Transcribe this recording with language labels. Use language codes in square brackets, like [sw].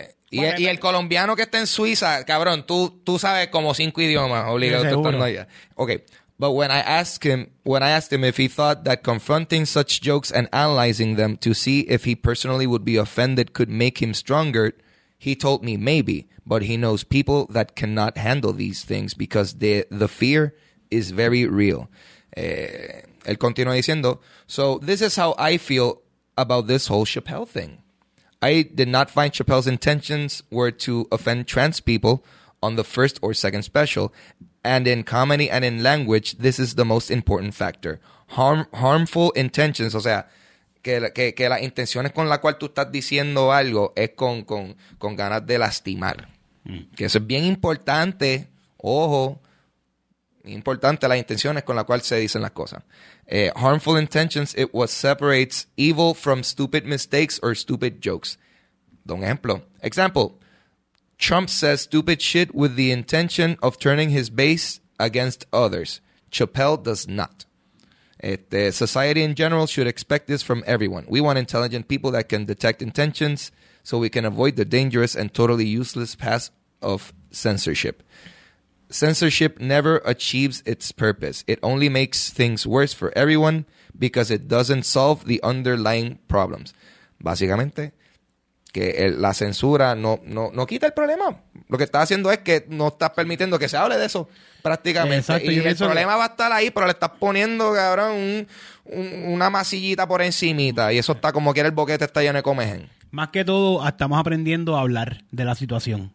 [es] Y el colombiano que está en Suiza, cabrón, tú sabes como cinco idiomas, obligado a estar allá. [en] Okay, but when I asked him if he thought that confronting such jokes and analyzing them to see if he personally would be offended could make him stronger, he told me maybe, but he knows people that cannot handle these things because the fear is very real. [es] Él continúa diciendo, [en] so this is how I feel about this whole Chappelle thing. I did not find Chappelle's intentions were to offend trans people on the first or second special. And in comedy and in language, this is the most important factor. Harmful intentions, [es] o sea, que las intenciones con las cuales tú estás diciendo algo es con ganas de lastimar. Que eso es bien importante, ojo, importante las intenciones con las cuales se dicen las cosas. [en] Harmful intentions, it what separates evil from stupid mistakes or stupid jokes. [es] Don ejemplo. [en] Example, Trump says stupid shit with the intention of turning his base against others. Chappelle does not. Society in general should expect this from everyone. We want intelligent people that can detect intentions so we can avoid the dangerous and totally useless path of censorship. Censorship never achieves its purpose. It only makes things worse for everyone because it doesn't solve the underlying problems. Básicamente, [es] que la censura no quita el problema. Lo que estás haciendo es que no estás permitiendo que se hable de eso prácticamente. Exacto, y el problema va a estar ahí, pero le estás poniendo, cabrón, una masillita por encimita. Y eso está como que el boquete está lleno de comején. Más que todo, estamos aprendiendo a hablar de la situación.